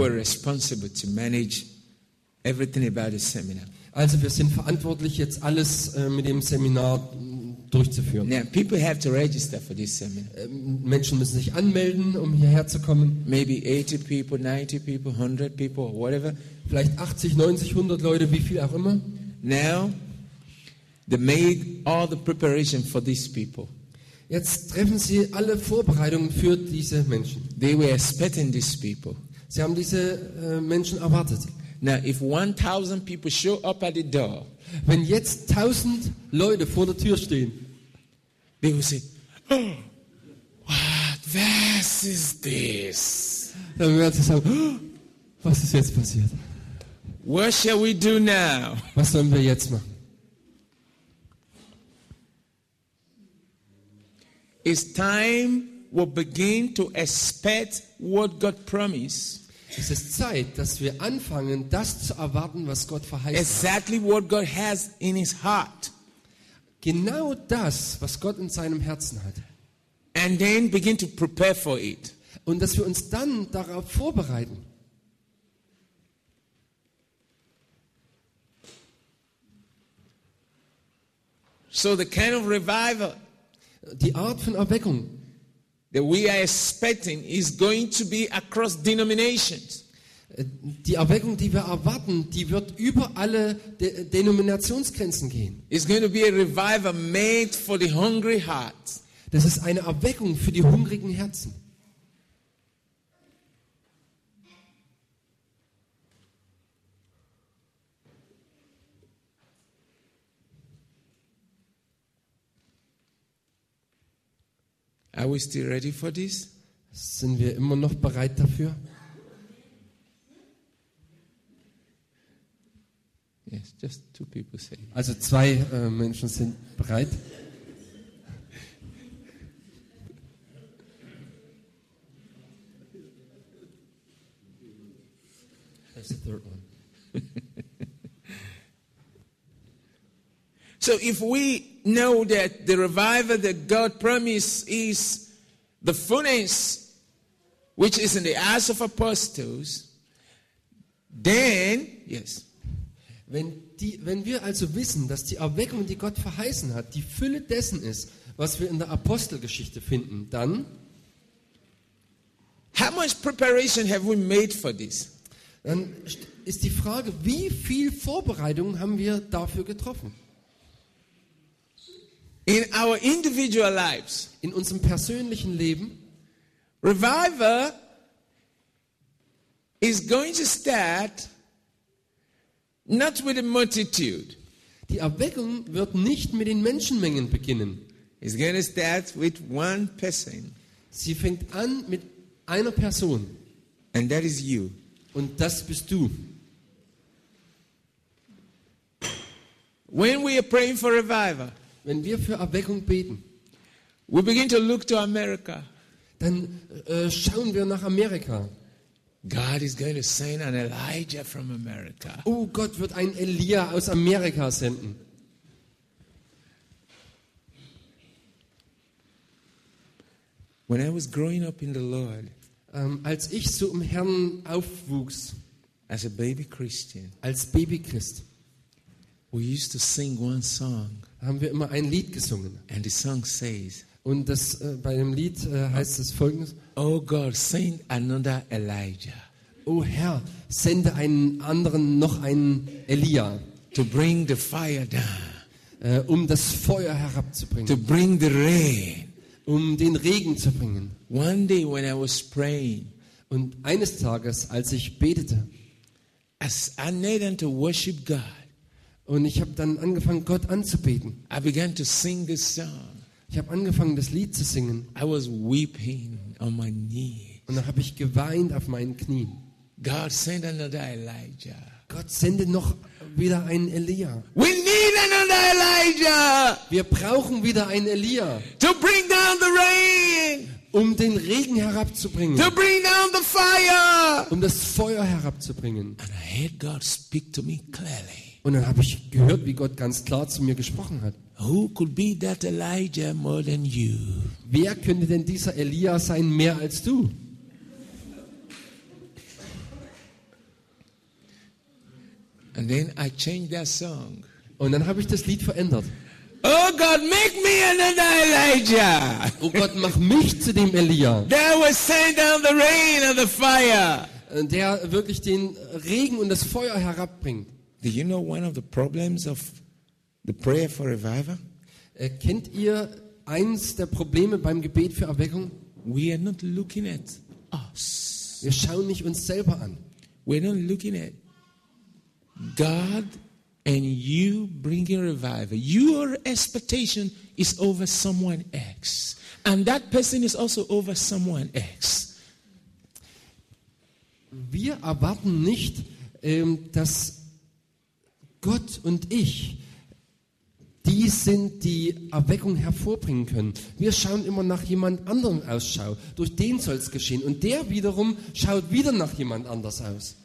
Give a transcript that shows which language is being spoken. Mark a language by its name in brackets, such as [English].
[English] Who are responsible to manage everything about the seminar. [German] Also wir sind verantwortlich, jetzt alles mit dem Seminar durchzuführen. [English] Now, people have to register for this seminar. [German] Menschen müssen sich anmelden, um hierher zu kommen. [English] Maybe 80 people, 90 people, 100 people, whatever. [German] Vielleicht 80, 90, 100 Leute, wie viel auch immer. [English] Now, they made all the preparation for these people. [German] Jetzt treffen sie alle Vorbereitungen für diese Menschen. [English] They were expecting these people. [German] Sie haben diese Menschen erwartet. [English] Now, if 1,000 people show up at the door, [German] wenn jetzt 1,000 Leute vor der Tür stehen, [English] they will say, oh, what, was is this? [German] Dann werden sie sagen, oh, was ist jetzt passiert? [English] What shall we do now? [German] Was sollen wir jetzt machen? [English] It's time we begin to expect what God promised. [German] Es ist Zeit, dass wir anfangen, das zu erwarten, was Gott verheißt hat. [English] Exactly what God has in his heart. [German] Genau das, was Gott in seinem Herzen hat. [English] And then begin to prepare for it. [German] Und dass wir uns dann darauf vorbereiten. [English] So the kind of revival, [German] die Art von Erweckung, [English] that we are expecting is going to be across denominations. [German] Die Erweckung, die wir erwarten, die wird über alle Denominationsgrenzen gehen. [English] It's going to be a revival made for the hungry heart. [German] Das ist eine Erweckung für die hungrigen Herzen. [English] Are we still ready for this? [German] Sind wir immer noch bereit dafür? [English] Yes, just two people say. [German] Also zwei Menschen sind bereit. [English] That's the third one. So if we know that the revival that God promised is the fullness which is in the Acts of Apostles, then yes. [German] Wenn wir also wissen, dass die Erweckung, die Gott verheißen hat, die Fülle dessen ist, was wir in der Apostelgeschichte finden, dann [English] how much preparation have we made for this? [German] Dann ist die Frage, wie viel Vorbereitung haben wir dafür getroffen? [English] In our individual lives, [German] in unserem persönlichen Leben, [English] revival is going to start not with a multitude. [German] Die Erweckung wird nicht mit den Menschenmengen beginnen. [English] It's going to start with one person. [German] Sie fängt an mit einer Person. [English] And that is you. [German] Und das bist du. [English] When we are praying for revival, [German] wenn wir für Erweckung beten, [English] we begin to look to America. [German] Dann schauen wir nach Amerika. [English] God is going to send an Elijah from America. [German] Oh, Gott wird einen Elia aus Amerika senden. [English] When I was growing up in the Lord, [German] als ich so im Herrn aufwuchs, [English] as a baby Christian, [German] als Babychrist, [English] we used to sing one song. [German] Haben wir immer ein Lied gesungen. [English] And the song says, [German] und das, bei dem Lied heißt es folgendes: [English] Oh God, send another Elijah. [German] Oh Herr, sende einen anderen, noch einen Elia. [English] To bring the fire down. [German] Um das Feuer herabzubringen. [English] To bring the rain. [German] Um den Regen zu bringen. [English] One day when I was praying, [German] Und eines Tages, als ich betete, [English] as I knelt to worship God, [German] und ich habe dann angefangen, Gott anzubeten, [English] I began to sing this song. [German] Ich habe angefangen, das Lied zu singen. [English] I was weeping on my knees. [German] Und dann habe ich geweint auf meinen Knien. [English] God send another Elijah. [German] Gott sende noch wieder einen Elia. [English] We need another Elijah. [German] Wir brauchen wieder einen Elia. [English] To bring down the rain. [German] Um den Regen herabzubringen. [English] To bring down the fire. [German] Um das Feuer herabzubringen. [English] And I heard God speak to me clearly. [German] Und dann habe ich gehört, wie Gott ganz klar zu mir gesprochen hat. [English] Who could be that Elijah more than you? [German] Wer könnte denn dieser Elia sein mehr als du? [English] And then I changed that song. [German] Und dann habe ich das Lied verändert. [English] Oh God, make me another Elijah. [German] Oh Gott, mach mich zu dem Elia. [English] That will send down the rain and the fire. [German] Der wirklich den Regen und das Feuer herabbringt. [English] Do you know one of the problems of the prayer for revival? [German] Kennt ihr eins der Probleme beim Gebet für Erweckung? [English] We are not looking at us. [German] Wir schauen nicht uns selber an. [English] We are not looking at God and you bringing revival. Your expectation is over someone else, and that person is also over someone else. [German] Wir erwarten nicht, dass Gott und ich die sind, die Erweckung hervorbringen können. Wir schauen immer nach jemand anderem Ausschau. Durch den soll es geschehen. Und der wiederum schaut wieder nach jemand anders aus.